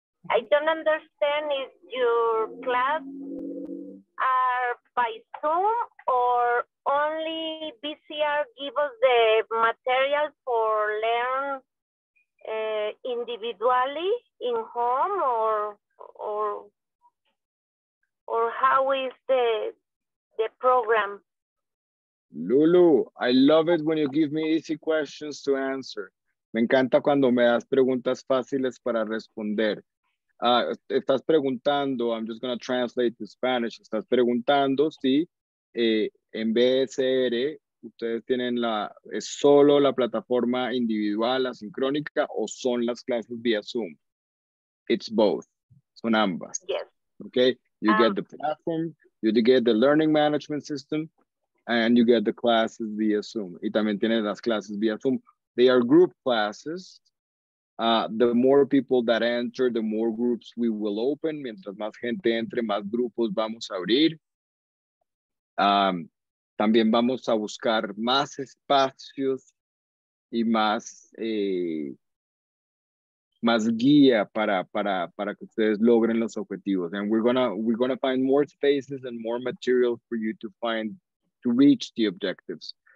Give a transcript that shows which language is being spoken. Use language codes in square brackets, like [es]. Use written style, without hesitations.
[en] I don't understand if your class are by Zoom or only BCR give us the material for learn individually in home or how is the program? Lulu, I love it when you give me easy questions to answer. [es] Me encanta cuando me das preguntas fáciles para responder. Estás preguntando, [en] I'm just going to translate to Spanish. [es] Estás preguntando si en BSR ustedes tienen es solo la plataforma individual, asincrónica, o son las clases vía Zoom. [en] It's both. [es] Son ambas. [en] Yes. Okay. You get the platform, you get the learning management system, and you get the classes via Zoom. [es] Y también tienen las clases vía Zoom. [en] They are group classes. The more people that enter, the more groups we will open. [es] Mientras más gente entre, más grupos vamos a abrir. También vamos a buscar más espacios y más, más guía para que ustedes logren los objetivos. [en] And we're gonna find more spaces and more material for you to find to reach the objectives.